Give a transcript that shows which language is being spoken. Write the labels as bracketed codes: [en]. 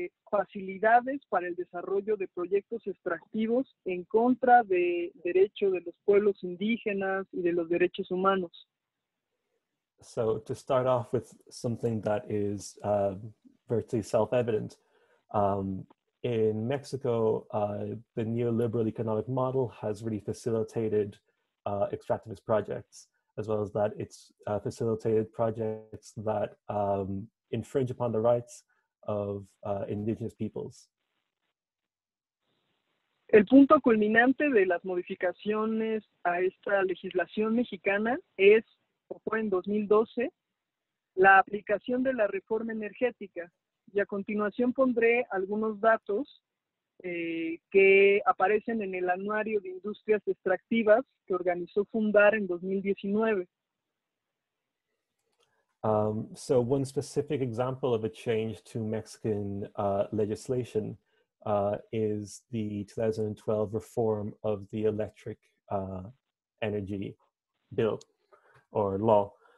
[es] facilidades para el desarrollo de proyectos extractivos en contra de derecho de los pueblos indígenas y de los derechos humanos. [en] So, to start off with something that is virtually self-evident, in Mexico, the neoliberal economic model has really facilitated extractivist projects, as well as that it's facilitated projects that infringe upon the rights of indigenous peoples. [es] El punto culminante de las modificaciones a esta legislación mexicana es, o fue en 2012, la aplicación de la reforma energética. Y a continuación pondré algunos datos que aparecen en el Anuario de Industrias Extractivas que organizó Fundar en 2019. [en] So one specific example of a change to Mexican legislation is the 2012 reform of the Electric Energy Bill, or law.